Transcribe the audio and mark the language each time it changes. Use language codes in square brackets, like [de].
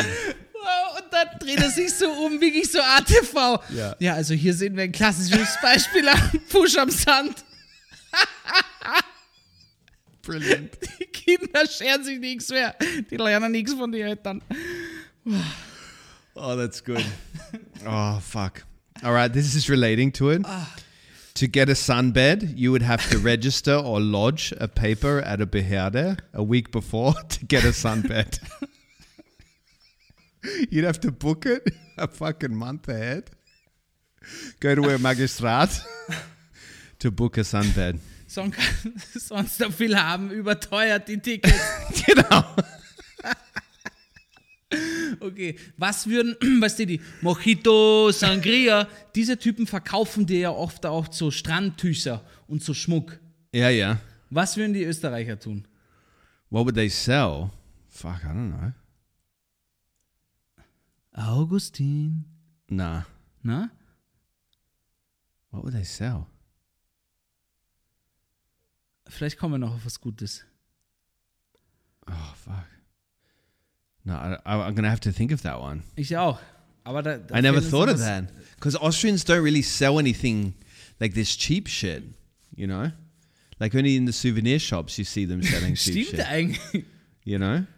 [de] Und dann dreht er sich so um, wirklich so ATV. [en] Yeah. [de] Ja, also hier sehen wir ein klassisches Beispiel am Push am Sand. [en] Brilliant. [de] Die Kinder scheren sich nichts mehr. Die lernen nichts von den Eltern. [en] Oh, that's good. Oh, fuck. All right, this is relating to it. To get a sunbed, you would have to register or lodge a paper at a Behörde a week before to get a sunbed. You'd have to book it a fucking month ahead. Go to a Magistrat to book a sunbed. [de] Sonst so viel haben, überteuert die Tickets. Genau. Okay, was würden, weißt du, die Mojito, Sangria, diese Typen verkaufen dir ja oft auch so Strandtücher und so Schmuck. Ja, ja. Was würden die Österreicher tun? [en] What would they sell? Fuck, I don't know. [de] Augustin. [en] Nah. Nah? What would they sell? [de] Vielleicht kommen wir noch auf was Gutes. [en] Oh, fuck. No, I'm going to have to think of that one. [de] Ich auch. Aber [en] I never thought of that. Because Austrians don't really sell anything like this cheap shit, you know? Like only in the souvenir shops you see them selling cheap [de] Stimmt [en] shit. [de] Stimmt eigentlich. [en] You know?